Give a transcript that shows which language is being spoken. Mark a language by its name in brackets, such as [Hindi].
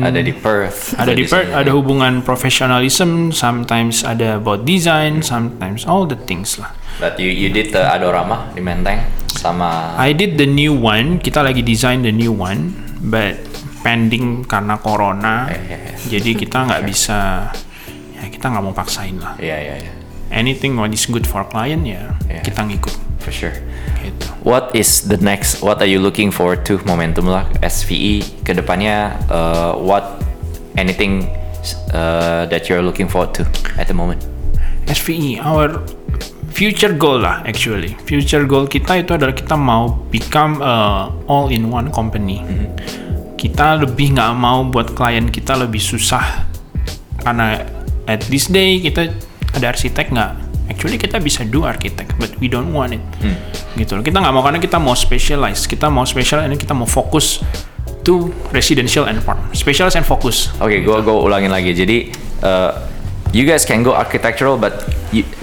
[Indonesian] ada di Perth. Ada di Perth, ada hubungan [English] professionalism, sometimes [Indonesian] ada [English] about design, sometimes all the things lah. But you did the adorama [Indonesian] di Menteng sama [English] I did the new one, [Indonesian] kita lagi [English] design the new one but pending [Indonesian] karena [English] corona. [Indonesian] Jadi kita enggak bisa ya, kita enggak mau paksain lah. Iya, yeah, iya, yeah, iya. Yeah. [English] Anything what is good for client ya, yeah, [Indonesian] kita ngikut. [English] For sure. [Indonesian] Gitu. [English] What is the next, what are you looking forward to momentum lah SVE [Indonesian] ke depannya, [English] what anything that you're looking forward to at the moment? SVE our future goal [Indonesian] lah, [English] actually. Future goal [Indonesian] kita itu adalah kita mau [English] become all-in-one company. [Indonesian] Kita lebih nggak mau buat klien kita lebih susah. Karena [English] at this day [Indonesian] kita ada arsitek nggak? [English] Actually [Indonesian] kita bisa [English] do architect, but we don't want it. [Indonesian] Gitu. Kita nggak mau karena kita mau [English] specialize. [Indonesian] Kita mau [English] special and [Indonesian] kita mau fokus [English] to residential and farm. Specialize and focus. [Indonesian] Okay, gitu. Gua ulangin lagi. Jadi [English] you guys can go architectural, but you